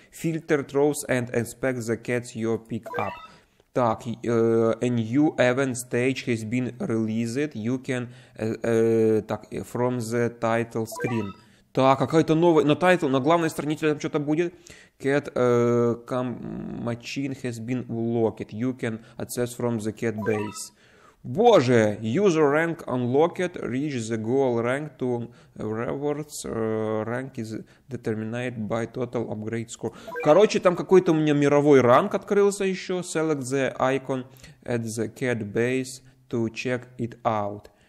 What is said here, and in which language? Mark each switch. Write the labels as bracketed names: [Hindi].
[English] Filter throws and inspect the cats you pick up. Так, a new event stage has been released, you can, так, from the title screen. [Russian] Так, какая-то новая, на главной странице там что-то будет. [English] Cat machine has been unlocked, you can access from the cat base. Боже, user rank unlocked, reach the goal rank to rewards, rank is determined by total upgrade score. [Russian] Короче, там какой-то у меня мировой ранг открылся еще. [English] Select the icon at the cat base to check it out.